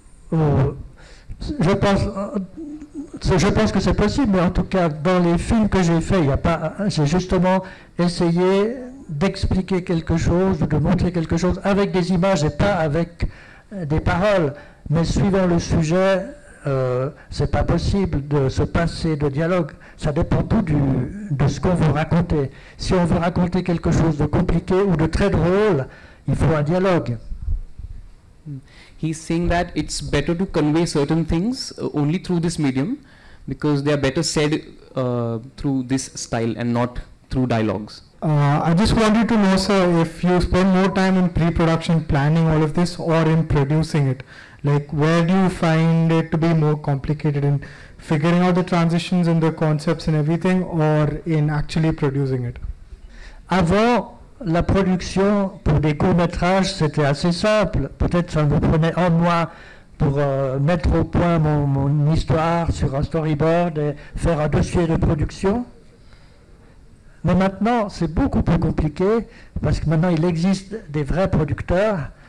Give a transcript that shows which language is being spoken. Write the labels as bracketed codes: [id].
[fr] Je pense que c'est possible, mais en tout cas, dans les films que j'ai faits, j'ai justement essayé d'expliquer quelque chose, de montrer quelque chose avec des images et pas avec des paroles. Mais suivant le sujet, c'est pas possible de se passer de dialogue. Ça dépend tout de ce qu'on veut raconter. Si on veut raconter quelque chose de compliqué ou de très drôle, il faut un dialogue. [en] He's saying that it's better to convey certain things only through this medium because they are better said through this style and not through dialogues. I just wanted to know, sir, if you spend more time in pre-production planning all of this or in producing it, like where do you find it to be more complicated in figuring out the transitions and the concepts and everything or in actually producing it? [fr] Avant, la production pour des courts-métrages, c'était assez simple. Peut-être ça me prenait un mois pour mettre au point mon histoire sur un storyboard et faire un dossier de production. Mais maintenant, c'est beaucoup plus compliqué parce que maintenant, il existe des vrais producteurs.